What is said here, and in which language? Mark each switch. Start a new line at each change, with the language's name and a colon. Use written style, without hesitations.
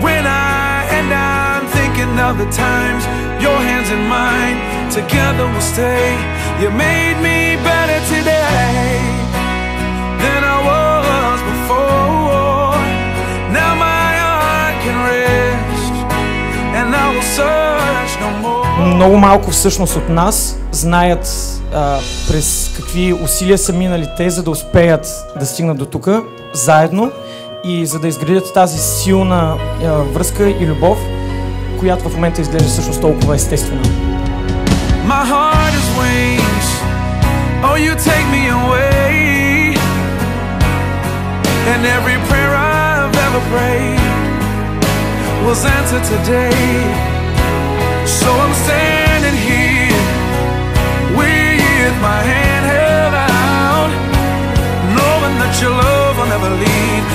English: When I'm thinking of the times, your hands in mine, together we'll stay. You made me better today than I was before. Now my heart can rest and I will search no more.
Bulgarian: Много малко всъщност от нас знаят през какви усилия са минали те, за да успеят да стигнат до тук заедно и за да изградят тази силна връзка и любов, която в момента изглежда всъщност толкова естествена.
English: My heart is wings, oh you take me away, and every prayer I've ever prayed was answered today. So I'm standing here with my hand held out, knowing that your love will never leave.